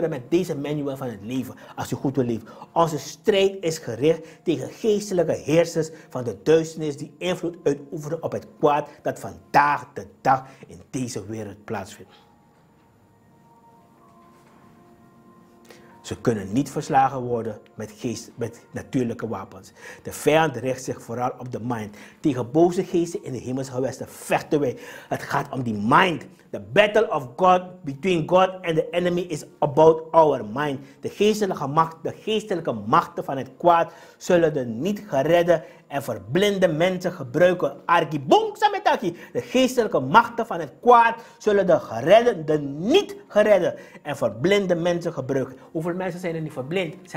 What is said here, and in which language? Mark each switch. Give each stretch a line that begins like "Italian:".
Dutch: Maar met deze manual van het leven, als u goed wil leven. Onze strijd is gericht tegen geestelijke heersers van de duisternis die invloed uitoefenen op het kwaad dat vandaag de dag in deze wereld plaatsvindt. Ze kunnen niet verslagen worden met natuurlijke wapens. De vijand richt zich vooral op de mind. Tegen boze geesten in de hemelse gewesten vechten wij. Het gaat om die mind.
English: The battle of God between God and the enemy is about our mind.
Dutch: De geestelijke machten van het kwaad zullen de niet geredde en verblinde mensen gebruiken. De geestelijke machten van het kwaad zullen de niet geredde en verblinde mensen gebruiken. Hoeveel mensen zijn er niet verblind?